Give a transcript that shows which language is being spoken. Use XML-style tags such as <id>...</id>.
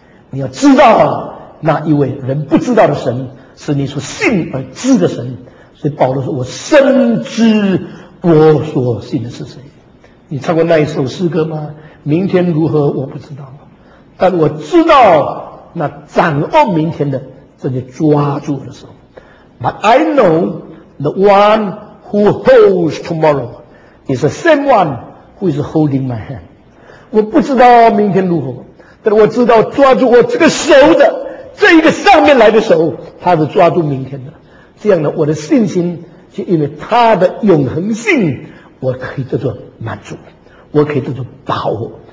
<zh>你要知道那一位人不知道的神是你所信而知的神。所以保罗说，我深知我所信的是谁。你唱过那一首诗歌吗？明天如何我不知道，但我知道那掌握明天的正在抓住的时候。</zh> <en>But I know the one who holds tomorrow is the same one who is holding my hand。</en> <zh>我不知道明天如何，但我知道抓住我这个手的这一个上面来的手，他是抓住明天的。这样呢，我的信心就因为他的永恒性，我可以得到满足，我可以得到把握。</zh>